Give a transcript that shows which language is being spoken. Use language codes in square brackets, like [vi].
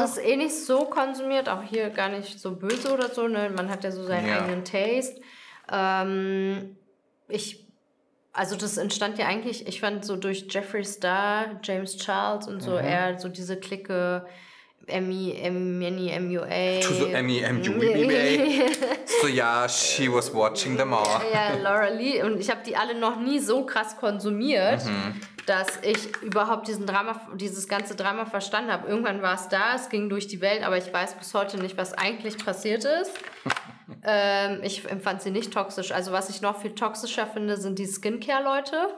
[de] Das ist nicht so konsumiert, auch hier gar nicht so böse oder so, ne? Man hat ja so seinen eigenen Taste. Also das entstand ja eigentlich, ich fand so durch Jeffree Star, James Charles und so eher so diese Clique MUA. [en] To the MUA. So, she was watching them all. [de] Ja, Laura Lee. Und ich habe die alle noch nie so krass konsumiert, dass ich überhaupt dieses ganze Drama verstanden habe. Irgendwann war es da, es ging durch die Welt, aber ich weiß bis heute nicht, was eigentlich passiert ist. ich empfand sie nicht toxisch. Also, was ich noch viel toxischer finde, sind die Skincare-Leute.